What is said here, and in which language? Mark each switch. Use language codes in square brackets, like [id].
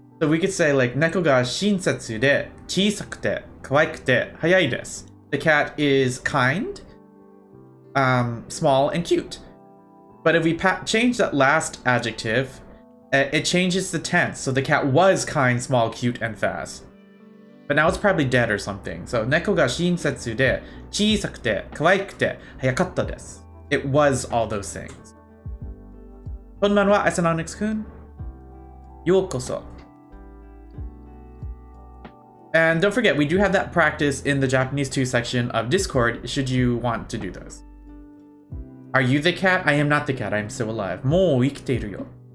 [en] So we could say like, [ja] 猫が親切で小さくて可愛くて早いです。 [en] The cat is kind, small, and cute. But if we change that last adjective, it changes the tense. So the cat was kind, small, cute, and fast. But now it's probably dead or something. [ja] So, 猫が親切で小さくて可愛くて早かったです。 [en] It was all those things. [ja] こんばんは、アサナオニクス君。ようこそ。 [en] And don't forget, we do have that practice in the Japanese 2 section of Discord, should you want to do those. Are you the cat? I am not the cat, I am still alive. [ja] もう生きているよ。